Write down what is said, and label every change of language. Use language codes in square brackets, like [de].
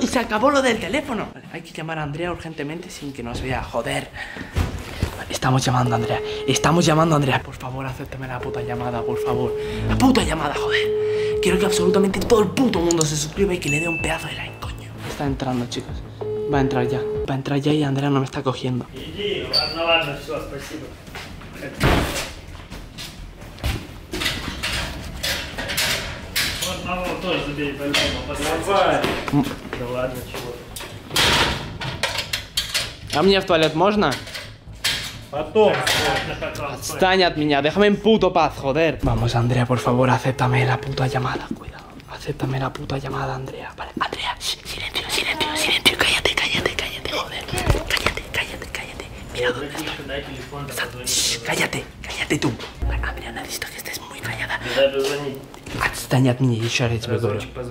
[es] Y se acabó lo del teléfono. Vale, hay que llamar a Andrea urgentemente sin que nos vea. Joder. Estamos llamando a Andrea. Por favor, acéptame la puta llamada, por favor. La puta llamada, joder. Quiero que absolutamente todo el puto mundo se suscriba y que le dé un pedazo de like, coño. Está entrando, chicos. Va a entrar ya y Andrea no me está cogiendo. [ru] Иди, ладно, ладно, все, спасибо. Одного тоже забери, по-любому, подавай. Да ладно, чего. А мне в туалет можно? Потом. Отстань от меня, [es] déjame en puto paz, joder. Vamos, Andrea, por favor, acéptame la puta llamada. Cuidado, acéptame la puta llamada, Andrea. Vale, Andrea, silencio, cállate, joder. Cállate. Mira dónde estoy. Cállate tú. Vale, Andrea, necesito que estés muy callada. [ru] Отстань от меня, еще раз говорю.